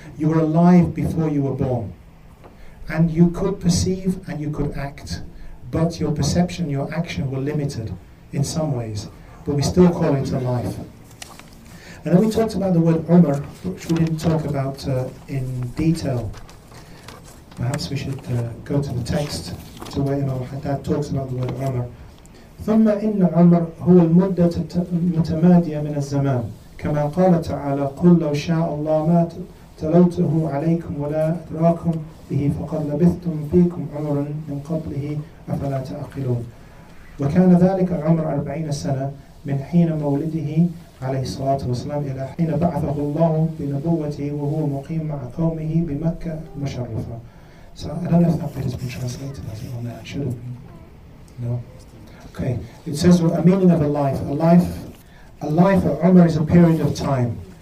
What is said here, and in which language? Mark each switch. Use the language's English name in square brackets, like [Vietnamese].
[English] You were alive before you were born. And you could perceive and you could act, but your perception, your action were limited in some ways. But we still call it a life. And then we talked about the word Umar, which we didn't talk about in detail. Perhaps we should go to the text to where Imam al-Haddad talks about the word Umar. [Arabic] ثم إن عمر هو المدة المتمادية من الزمان كما قال تعالى قل لو شاء الله ما تلوته عليكم ولا أدراكم به فقد لبثتم فيكم عمرا من قبله أفلا تعقلون وكان ذلك عمر 40 سنة من حين مولده عليه الصلاة والسلام إلى حين بعثه الله بنبوته وهو مقيم مع قومه بمكة المشرفة. [English] So I don't know if that bit has been translated. I think on that it should have been. No. Okay, it says a meaning of a life. A life, a life of Umar is a period of time.